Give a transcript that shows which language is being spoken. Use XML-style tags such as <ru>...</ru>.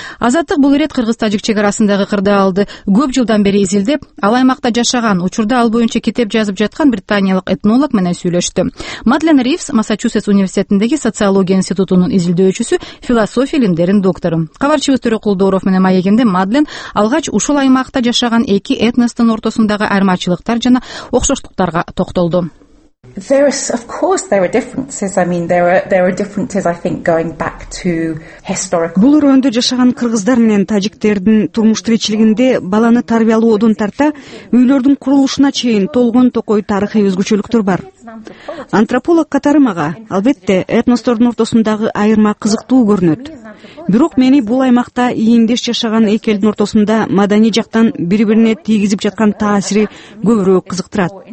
<ky>Азаттык бул ирет Кыргыз-Тажик чек арасындагы кырдаалды көп жылдан бери изилдеп, ал аймакта жашаган, учурда ал боюнча китеп жазып жаткан британиялык этнолог менен сүйлөштү. Мадлен Ривс, Массачусетс университетиндеги социология институтунун изилдөөчүсү, философия илимдеринин доктору. Кабарчыбыз Төрөкулдоров менен маегинде Мадлен алгач ушул аймакта жашаган эки этностун ортосундагы айырмачылыктар жана окшоштуктарга токтолду.</ky> <en>There is, of course, there are differences. I mean, there are differences. I think going back to historical.</en> <ky>Бул өрөндө жашаган кыргыздар менен тажиктердин турмуш тиричилигинде баланы тарбиялоодон тарта үйлөрдүн курулушуна чейин толгон токой тарыхый өзгөчөлүктөр бар. Антрополог катарымага, албетте, этностордун ортосундагы айырма кызыктуу көрүнөт. Бирок мени бул аймакта ийиндеш жашаган эки элдин ортосунда маданий жактан бири-бирине тийгизип жаткан таасири көбүрөөк кызыктырат.</ky>